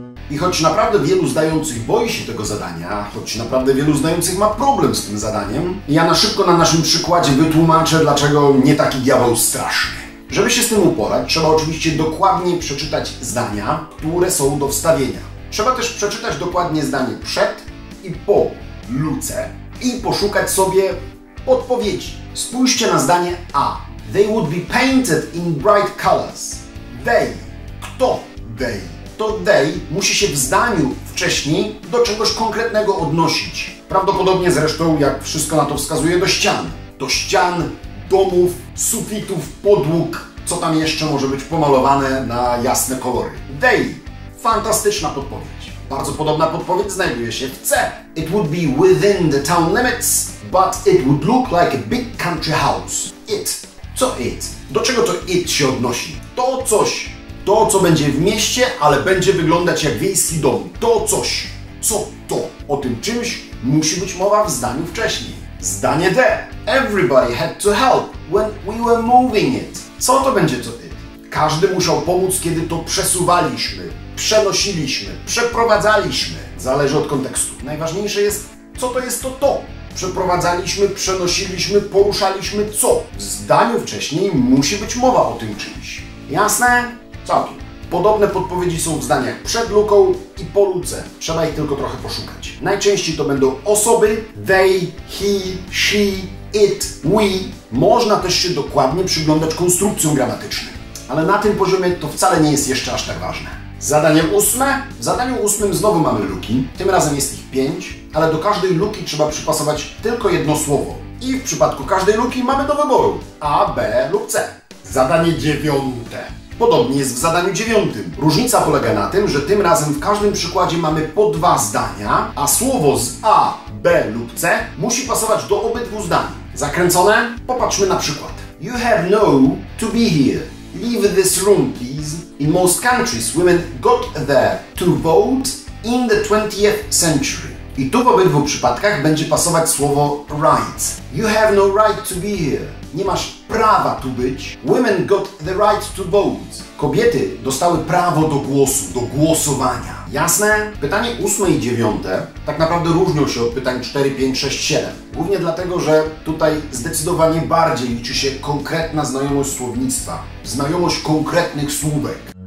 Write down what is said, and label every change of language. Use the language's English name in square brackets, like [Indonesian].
[Polish] I choć naprawdę wielu zdających boi się tego zadania, choć naprawdę wielu zdających ma problem z tym zadaniem, ja na szybko na naszym przykładzie wytłumaczę, dlaczego nie taki diabeł straszny. Żeby się z tym uporać, trzeba oczywiście dokładnie przeczytać zdania, które są do wstawienia. Trzeba też przeczytać dokładnie zdanie przed i po luce i poszukać sobie odpowiedzi. Spójrzcie na zdanie A. [English] They would be painted in bright colors. [Polish] They. Kto they? To they musi się w zdaniu wcześniej do czegoś konkretnego odnosić. Prawdopodobnie zresztą, jak wszystko na to wskazuje, do ścian. Do ścian, domów, sufitów, podłóg, co tam jeszcze może być pomalowane na jasne kolory. They. Fantastyczna podpowiedź. Bardzo podobna podpowiedź znajduje się w C. [English] It would be within the town limits, but it would look like a big country house. [Polish] It. Co it? Do czego to it się odnosi? To coś. To, co będzie w mieście, ale będzie wyglądać jak wiejski dom. To coś. Co to? O tym czymś musi być mowa w zdaniu wcześniej. Zdanie D. [English] Everybody had to help when we were moving it. [Polish] Co to będzie co ty? Każdy musiał pomóc, kiedy to przesuwaliśmy, przenosiliśmy, przeprowadzaliśmy. Zależy od kontekstu. Najważniejsze jest, co to jest to. Przeprowadzaliśmy, przenosiliśmy, poruszaliśmy co? W zdaniu wcześniej musi być mowa o tym czymś. Jasne? Całkiem. Podobne podpowiedzi są w zdaniach przed luką i po luce. Trzeba ich tylko trochę poszukać. Najczęściej to będą osoby, they, he, she, it, we. Można też się dokładnie przyglądać konstrukcjom gramatycznym. Ale na tym poziomie to wcale nie jest jeszcze aż tak ważne. Zadanie ósme. W zadaniu ósmym znowu mamy luki. Tym razem jest ich 5, ale do każdej luki trzeba przypasować tylko jedno słowo. I w przypadku każdej luki mamy do wyboru A, B lub C. Zadanie dziewiąte. Podobnie jest w zadaniu dziewiątym. Różnica polega na tym, że tym razem w każdym przykładzie mamy po 2 zdania, a słowo z A, B lub C musi pasować do obydwu zdań. Zakręcone? Popatrzmy na przykład. [English] You have no to be here. leave this room, please. In most countries, women got there to vote in the 20th century. [Polish] I tu w obydwu przypadkach będzie pasować słowo right. [English] You have no right to be here. [Polish] Nie masz prawa tu być. [English] Women got the right to vote. [Polish] Kobiety dostały prawo do głosu, do głosowania. Jasne? Pytanie 8 i 9 tak naprawdę różnią się od pytań 4, 5, 6, 7. Głównie dlatego, że tutaj zdecydowanie bardziej liczy się konkretna znajomość słownictwa. Znajomość konkretnych słówek.